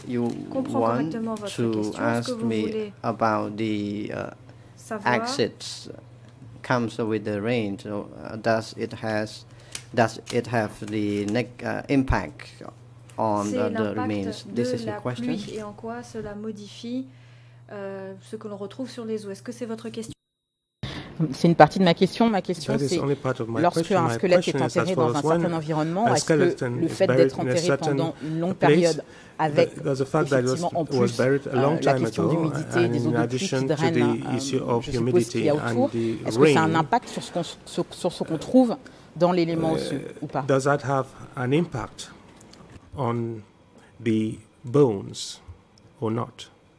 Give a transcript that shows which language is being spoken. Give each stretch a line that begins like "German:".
English: You want to ask me about the exits comes with the rain. So does it have the impact on the remains? This is your question.
French: Pluie et en quoi cela modifie ce que l'on retrouve sur les eaux? Est-ce que c'est votre question? C'est une partie de ma question. Ma question, c'est lorsque un squelette est enterré dans un certain environnement, est-ce que le fait d'être enterré pendant une longue période avec, effectivement, en plus, la question d'humidité, des eaux de pluie qui drainent, je suppose, ce qu'il y a autour, est-ce que ça a un impact sur ce qu'on trouve dans l'élément osseux ou pas?
English: Does that have an impact on the bones or not?